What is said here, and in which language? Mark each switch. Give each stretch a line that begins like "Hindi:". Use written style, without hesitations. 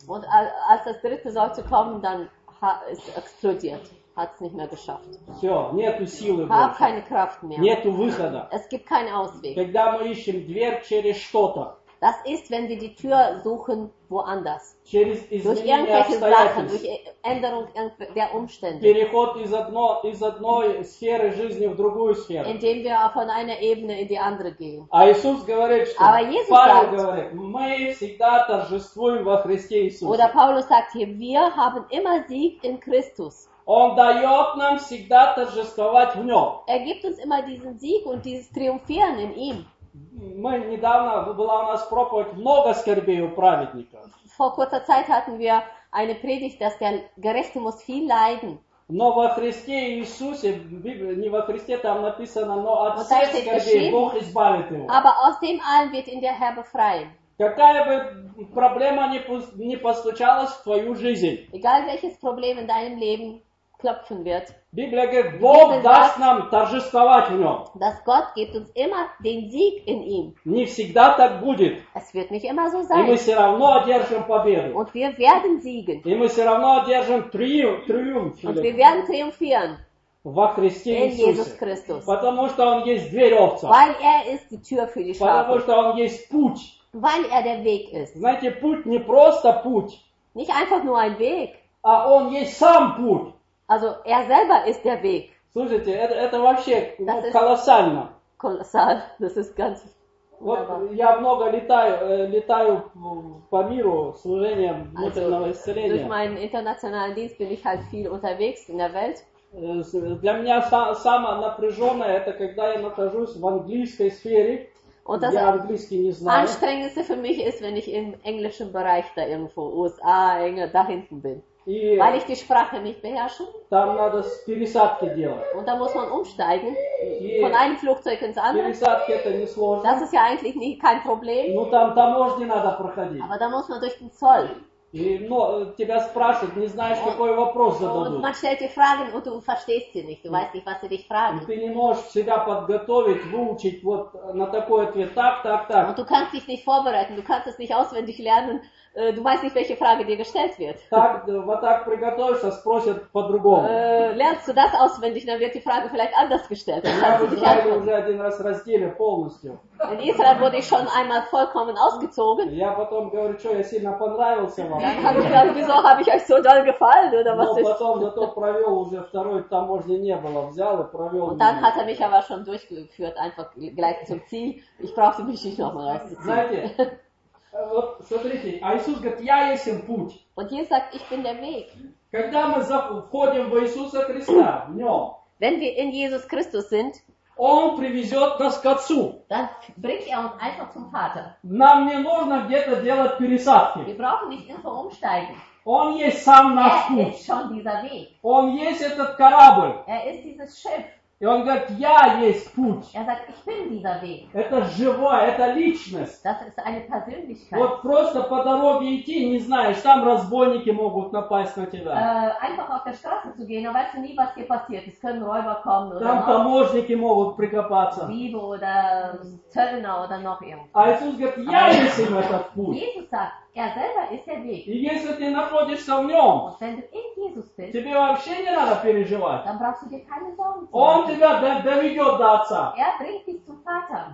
German: Und als das dritte sollte kommen, dann ist es explodiert. Hat es nicht mehr geschafft.
Russian: Все, нету силы больше.
German: Hab keine Kraft mehr.
Russian: Нету выхода.
German: Es gibt keinen Ausweg.
Russian: Когда мы ищем дверь через что-то.
German: Das ist, wenn wir die Tür suchen woanders.
Russian: Через
German: durch irgendwelche Sachen, durch Änderung der Umstände.
Russian: Переход из одной сферы жизни в другую сферу.
German: Indem wir von einer Ebene in die andere gehen.
Russian: А Иисус говорит, что
German: Aber Jesus
Russian: Павел
German: sagt,
Russian: говорит, мы всегда торжествуем во Христе Иисусе.
German: Oder Paulus sagt hier, wir haben immer Sieg in Christus.
Russian: Он дает нам всегда торжествовать в Нем.
German: Er gibt uns immer diesen Sieg und dieses Triumphieren in ihm.
Russian: Мы недавно была у нас проповедь много скорбей у праведника.
German: Vor kurzer Zeit hatten wir eine Predigt, dass der Gerechte muss viel leiden.
Russian: Но во Христе Иисусе, не во Христе там написано, но от всех скорбей Бог избавит его.
German: Aber aus dem allen wird ihn der Herr befreien.
Russian: Какая бы проблема не постучалась в твою жизнь.
German: Egal welches Problem in deinem Leben klopfen wird.
Russian: Библия говорит, Бог даст нам торжествовать в нем.
German: Dass Gott gibt uns immer den Sieg in ihm.
Russian: Не всегда так будет.
German: Es wird nicht immer so sein.
Russian: И мы все равно одержим победу.
German: Und wir werden siegen.
Russian: И мы все равно одержим триумф.
German: Und wir werden triumphieren.
Russian: Во Христе Иисусе. Потому что он есть дверь овцам.
German: Weil er ist die Tür für die Schafe.
Russian: Потому что он есть путь.
German: Weil er der Weg ist.
Russian: Знаете, путь не просто путь.
German: Nicht einfach nur ein Weg.
Russian: А он есть сам путь.
German: Also er selber ist der Weg.
Russian: Слушайте, это вообще колоссально. Колоссал,
German: das ist ganz.
Russian: Вот я много летаю по миру служением внутреннего исцеления.
German: Durch meinen internationalen Dienst bin ich halt viel unterwegs in der Welt.
Russian: Для меня самое напряженное это когда я нахожусь в английской сфере.
German: Und das Anstrengendste für mich ist, wenn ich im englischen Bereich da irgendwo USA enger da hinten bin. Weil ich die Sprache nicht beherrsche.
Russian: Там надо пересадки делать.
German: Und da muss man umsteigen. Von einem Flugzeug ins andere.
Russian: Пересадки это не сложно.
German: Das ist ja eigentlich kein Problem.
Russian: Ну там таможни надо проходить.
German: Aber da muss man durch den Zoll.
Russian: Тебя спрашивают, не знаешь, какой вопрос зададут.
German: Man stellt die Fragen und du verstehst sie nicht. Du weißt nicht, was sie dich fragen.
Russian: Ты не можешь себя подготовить, выучить вот на такой ответ так.
German: Und du kannst dich nicht vorbereiten. Du kannst es nicht auswendig lernen. Du weißt nicht, welche Frage dir gestellt wird.
Russian: Так, вот так приготовишься, спросят по-другому.
German: Lernst du das auswendig, dann wird die Frage vielleicht anders gestellt.
Russian: Я уже один раз разделил полностью.
German: In Israel wurde ich schon einmal vollkommen ausgezogen.
Russian: Я потом говорю, что я сильно понравился вам.
German: Dann habe ich gesagt, wieso habe ich euch so doll gefallen, oder was ist?
Russian: Но потом зато провел уже второй, там можно не было, взял и провел.
German: Und dann hat er mich aber schon durchgeführt, einfach gleich zum Ziel. Ich brauchte mich nicht nochmal rauszuziehen.
Russian: Знаете, вот смотрите, а Иисус говорит, я есть путь.
German: Und Jesus sagt, ich bin der Weg.
Russian: Когда мы входим в Иисуса Христа, в Нем.
German: Wenn wir in Jesus Christus sind.
Russian: Он привезет нас к Отцу.
German: Dann bringt er uns einfach zum Vater.
Russian: Нам не нужно где-то делать пересадки.
German: Wir brauchen nicht irgendwo umsteigen.
Russian: Он есть сам наш путь.
German: Er ist schon dieser Weg.
Russian: Он есть этот корабль.
German: Er ist dieses Schiff.
Russian: И он говорит, я есть путь.
German: Er sagt, ich bin dieser Weg.
Russian: Это живое, это личность.
German: Das ist eine Persönlichkeit.
Russian: Вот просто по дороге идти, не знаешь, там разбойники могут напасть на тебя.
German: Einfach auf der Straße zu gehen, weißt du nie, was hier passiert. Es können Räuber kommen.
Russian: Там таможники
German: noch.
Russian: Могут прикопаться.
German: Diebe oder Zöllner oder noch irgendwas.
Russian: А Иисус говорит, я есть им этот путь.
German: Jesus sagt, er selber ist der Weg.
Russian: И если ты находишься в нем,
German: wenn du in Jesus bist,
Russian: тебе вообще не надо переживать.
German: Dann brauchst du dir keine Sorgen zu machen.
Russian: Он тебя доведет до Отца.
German: Er bringt dich zum Vater.